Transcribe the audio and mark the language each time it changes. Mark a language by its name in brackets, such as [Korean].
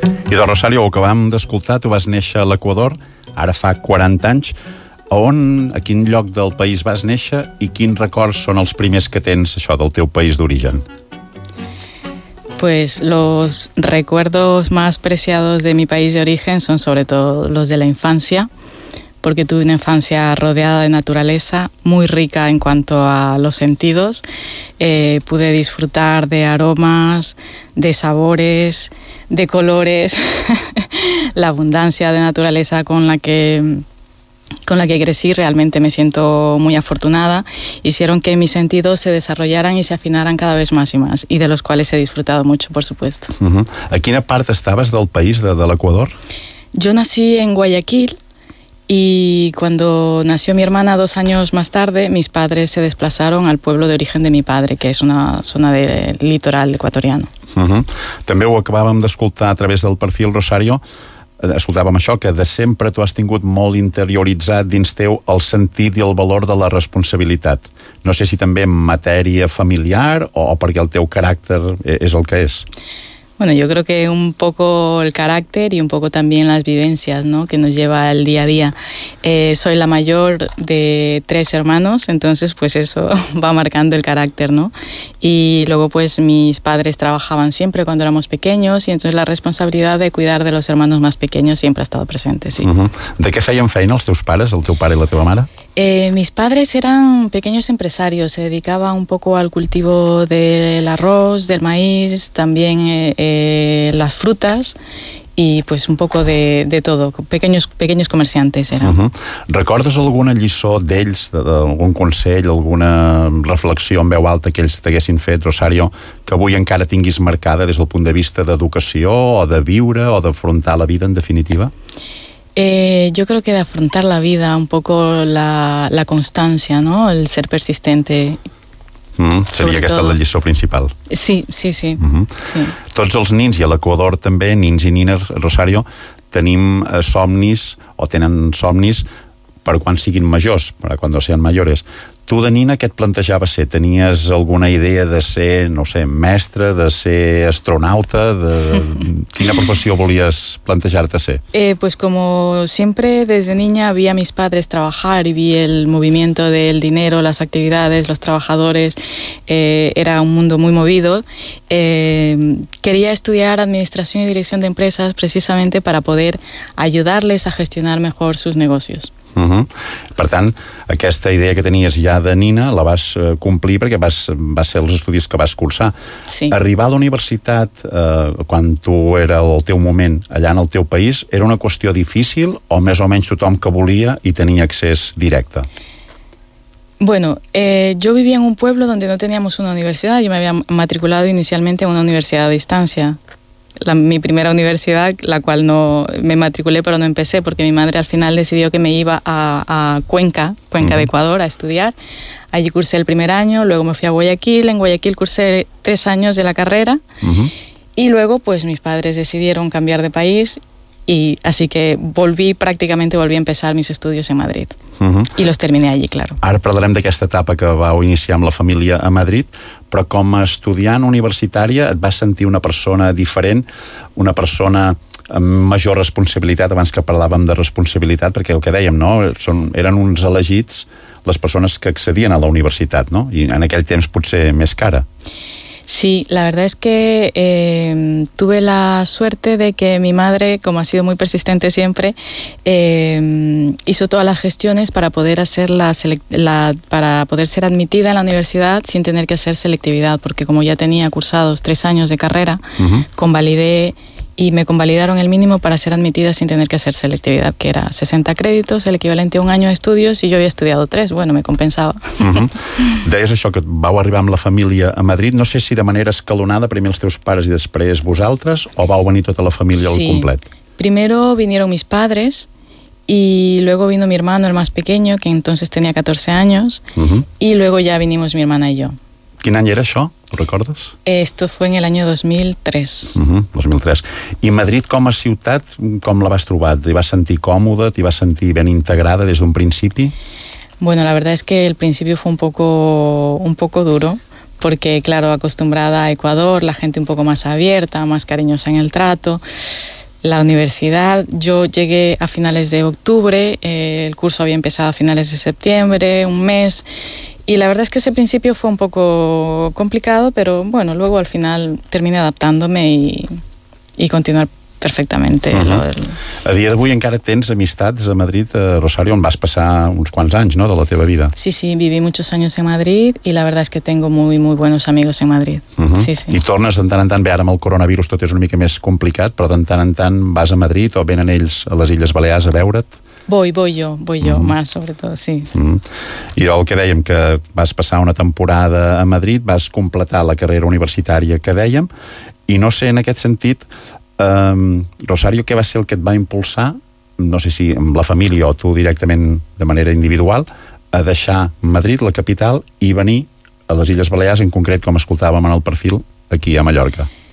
[Catalan] I de Rosario, ho acabem d'escoltar, tu vas néixer a l'Equador, ara fa 40 anys. On, a quin lloc del país vas néixer i quins records són els primers que tens això del teu país d'origen? [Spanish] Pues los recuerdos más preciados de mi país de origen son sobre todo los de la infancia, porque tuve una infancia rodeada de naturaleza, muy rica en cuanto a los sentidos. Pude disfrutar de aromas, de sabores, de colores, la abundancia de naturaleza con la que crecí, realmente me siento muy afortunada. Hicieron que mis sentidos se desarrollaran y se afinaran cada vez más y más, y de los cuales he disfrutado mucho, por supuesto. [Catalan] ¿A quina part estabas del país, de l'Equador? [Spanish] Yo nací en Guayaquil, y cuando nació mi hermana 2 años más tarde, mis padres se desplazaron al pueblo de origen de mi padre, que es una zona del litoral ecuatoriano. [Catalan] També ho acabàvem d'escoltar a través del perfil, Rosario. Escoltàvem això, que de sempre tu has tingut molt interioritzat dins teu el sentit i el valor de la responsabilitat. No sé si també en matèria familiar o perquè el teu caràcter és el que és. [Spanish] Bueno, yo creo que un poco el carácter y un poco también las vivencias, ¿no?, que nos lleva al día a día. Soy la mayor de 3 hermanos, entonces pues eso va marcando el carácter, ¿no? Y luego pues mis padres trabajaban siempre cuando éramos pequeños, y entonces la responsabilidad de cuidar de los hermanos más pequeños siempre ha estado presente, sí. [Catalan] ¿De qué feien feina els teus pares, el teu pare i la teva mare? [Spanish] Mis padres eran pequeños empresarios, se dedicaba un poco al cultivo del arroz, del maíz, también las frutas, y pues un poco de todo, pequeños comerciantes eran. Uh-huh. [Catalan] ¿Recordes alguna lliçó d'ells, d'algun consell, alguna reflexió en veu alta que ells t'haguessin fet, Rosario, que avui encara tinguis marcada des del punt de vista d'educació o de viure o d'afrontar la vida en definitiva? [Spanish] Yo creo que de afrontar la vida, un poco la constancia, ¿no? El ser persistente. [Catalan] Seria aquesta la lliçó principal. Sí. Uh-huh. Sí. Tots els nins, i a l'Equador també, nins i nines, Rosario, tenim somnis, o tenen somnis, per quan siguin majors, per quan siguin majors. Tu de nina què et plantejaves ser? Tenies alguna idea de ser, no sé, mestre, de ser astronauta? Quina professió volies plantejar-te ser? [Spanish] Pues como siempre desde niña vi a mis padres trabajar y vi el movimiento del dinero, las actividades, los trabajadores, era un mundo muy movido. Quería estudiar administración y dirección de empresas precisamente para poder ayudarles a gestionar mejor sus negocios. Uh-huh. [Catalan] Per tant, aquesta idea que tenies ja de nina la vas complir perquè va ser els estudis que vas cursar. Sí. Arribar a la universitat, quan tu era el teu moment allà en el teu país, era una qüestió difícil o més o menys tothom que volia i tenia accés directe? [Spanish] Bueno, yo vivía en un pueblo donde no teníamos una universidad. Yo me había matriculado inicialmente en una universidad a distancia. Mi primera universidad, la cual no me matriculé, pero no empecé, porque mi madre al final decidió que me iba a Cuenca uh-huh. de Ecuador, a estudiar. Allí cursé el primer año, luego me fui a Guayaquil. En Guayaquil cursé 3 años de la carrera. Uh-huh. Y luego, pues, mis padres decidieron cambiar de país. Y así que prácticamente volví a empezar mis estudios en Madrid. Uh-huh. Y los terminé allí, claro. [Catalan] Ara parlarem d'aquesta etapa que vau iniciar amb la família a Madrid, però com a estudiant universitària et vas sentir una persona diferent, una persona amb major responsabilitat, abans que parlàvem de responsabilitat, perquè el que dèiem, no? Eren uns elegits les persones que accedien a la universitat, no? I en aquell temps potser més cara. [Spanish] Sí, la verdad es que tuve la suerte de que mi madre, como ha sido muy persistente siempre, hizo todas las gestiones para poder hacer para poder ser admitida en la universidad sin tener que hacer selectividad, porque como ya tenía cursados 3 años de carrera, uh-huh. convalidé y me convalidaron el mínimo para ser admitida sin tener que hacer selectividad, que era 60 créditos, el equivalente a un año de estudios, y yo había estudiado 3, bueno, me compensaba. Uh-huh. [Catalan] Deies això, que vau arribar amb la família a Madrid, no sé si de manera escalonada, primer els teus pares i després vosaltres, o vau venir tota la família sí. al complet? [Spanish] Primero vinieron mis padres, y luego vino mi hermano, el más pequeño, que entonces tenía 14 años, uh-huh. y luego ya vinimos mi hermana y yo. [Catalan] Quin any era això? ¿Lo recordes? [Spanish] Esto fue en el año 2003. Uh-huh, 2003. [Catalan] I Madrid com a ciutat, com la vas trobar? T'hi vas sentir còmoda? T'hi vas sentir ben integrada des d'un principi? [Spanish] Bueno, la verdad es que el principio fue un poco duro, porque claro, acostumbrada a Ecuador, la gente un poco más abierta, más cariñosa en el trato, la universidad. Yo llegué a finales de octubre, el curso había empezado a finales de septiembre, un mes. Y la verdad es que ese principio fue un poco complicado, pero bueno, luego al final terminé adaptándome y continuar perfectamente. [Catalan] Uh-huh. A dia d'avui encara tens amistats a Madrid, a Rosario, on vas passar uns quants anys, no?, de la teva vida. [Spanish] Sí, viví muchos años en Madrid y la verdad es que tengo muy, muy buenos amigos en Madrid. Uh-huh. Sí. [Catalan] I tornes de tant en tant, bé, ara amb el coronavirus tot és una mica més complicat, però de tant en tant vas a Madrid o venen ells a les Illes Balears a veure't? [Spanish] Voy yo, uh-huh. más sobre todo, sí. [Catalan] Uh-huh. I el que dèiem, que vas passar una temporada a Madrid, vas completar la carrera universitària que dèiem, i no sé, en aquest sentit, Rosario, què va ser el que et va impulsar, no sé si amb la família o tu directament de manera individual, a deixar Madrid, la capital, i venir a les Illes Balears, en concret, com escoltàvem en el perfil, aquí a Mallorca?